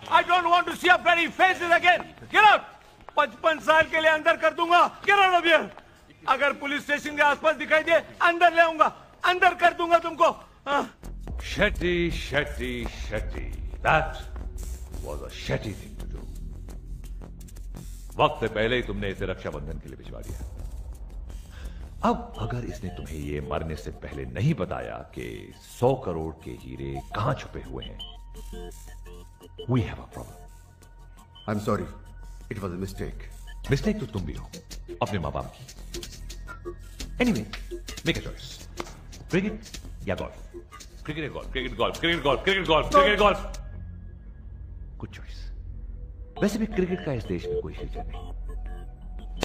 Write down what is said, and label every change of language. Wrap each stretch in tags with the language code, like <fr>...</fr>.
<en>I don't want to see your pretty faces again. Get out!</en> <hi>55 साल के लिए अंदर कर दूंगा।</hi> <en>Get out of here!</en> <hi>अगर पुलिस स्टेशन के आसपास दिखाई दे, अंदर ले आऊंगा, अंदर कर दूंगा तुमको।</hi> <en>Shetty, that was a shetty thing to do.</en> <hi>वक्त से पहले ही तुमने इसे रक्षाबंधन के लिए भिजवा दिया। अब अगर इसने तुम्हें ये मरने से पहले नहीं बताया कि 100 करोड़ के हीरे कहां छुपे हुए हैं,</hi> <en>we have a problem. I'm sorry, it was a mistake.</en> <hi>Mistake तो तुम भी हो, अपने माँ बाप की।</hi> <en>Anyway, make a choice. Cricket</en> <hi>या</hi> <en>golf? Cricket</en> <hi>या</hi> <en>golf? Cricket golf? Cricket golf? Cricket golf? Cricket golf? Good choice.</en> <hi>वैसे भी क्रिकेट का इस देश में कोई फ्यूचर नहीं।</hi>